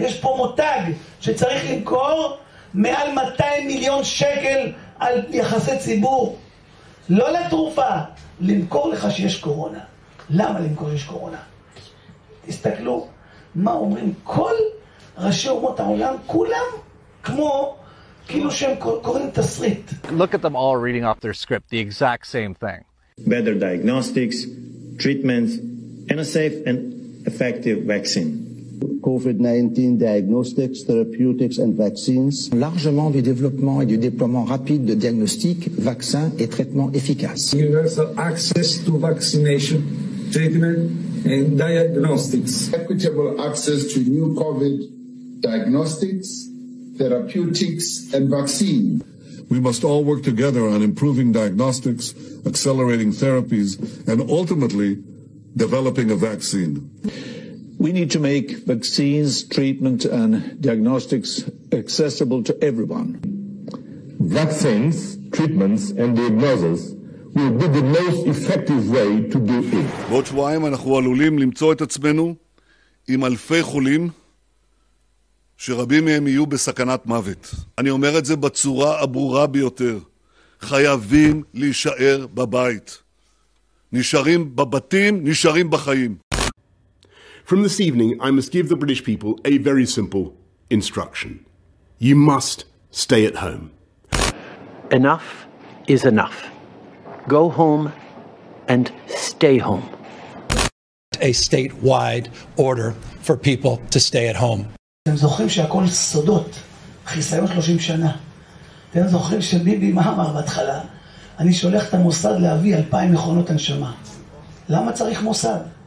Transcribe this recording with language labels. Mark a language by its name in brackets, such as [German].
[Hebrew] יש פה מותג שצריך למכור מעל 200 מיליון שקל על יחסי ציבור. לא לתרופה, למכור לך שיש קורונה. למה למכור שיש קורונה? תסתכלו. מה אומרים? כל ראשי אומות העולם, כולם כמו, כאילו שהם קוראים תסריט. [English] Look at them all reading off their script, the exact same thing. Better diagnostics, treatments, and a safe and effective vaccine. COVID-19 diagnostics, therapeutics and vaccines. [French] Largement du développement et du déploiement rapide de diagnostics, vaccins et traitements efficaces. [English] Universal access to vaccination, treatment, and diagnostics. Equitable access to new COVID diagnostics, therapeutics, and vaccine. We must all work together on improving diagnostics, accelerating therapies, and ultimately developing a vaccine. We need to make vaccines, treatment, and diagnostics accessible to everyone. Vaccines, treatments, and diagnoses will be the most effective way to do it. [Hebrew] בעוד שבועיים אנחנו עלולים למצוא את עצמנו עם אלפי חולים שרבים מהם יהיו בסכנת מוות. אני אומר את זה בצורה הברורה ביותר. חייבים להישאר בבית. נשארים בבתים, נשארים בחיים. [English] From this evening, I must give the British people a very simple instruction. You must stay at home. Enough is enough. Go home and stay home. A statewide order for people to stay at home. [Hebrew] אתם זוכרים שהכל סודות, חיסיון 30 שנה. אתם זוכרים שביבי מה אמר בהתחלה? אני שולח את המוסד להביא 2,000 מכונות הנשמה. למה צריך מוסד?